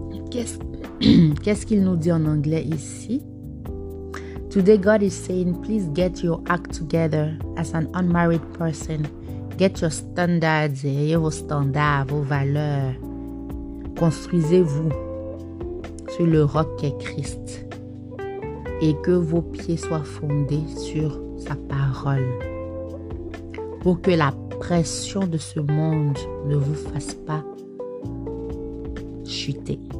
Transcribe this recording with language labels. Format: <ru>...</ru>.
<fr>Qu'est-ce qu'il nous dit en anglais ici?</fr> <en>Today God is saying, please get your act together as an unmarried person. Get your standards,</en> <fr>ayez vos standards, vos valeurs. Construisez-vous sur le roc qu'est Christ. Et que vos pieds soient fondés sur sa parole. Pour que la pression de ce monde ne vous fasse pas chuter.</fr>